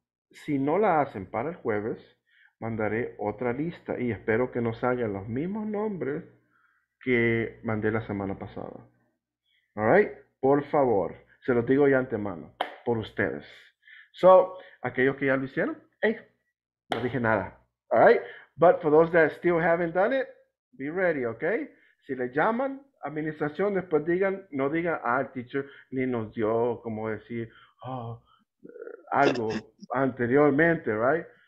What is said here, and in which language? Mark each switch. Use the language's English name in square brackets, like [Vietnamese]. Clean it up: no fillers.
[Spanish] Si no la hacen para el jueves, mandaré otra lista y espero que no salgan los mismos nombres que mandé la semana pasada. [English] All right? [Spanish] Por favor, se los digo ya antemano, por ustedes. So, aquellos que ya lo hicieron, hey, no dije nada. [English] All right? But for those that still haven't done it, be ready, okay? [Spanish] Si le llaman administración, después digan, no digan, ah, el teacher ni nos dio, como decir, algo anteriormente, right?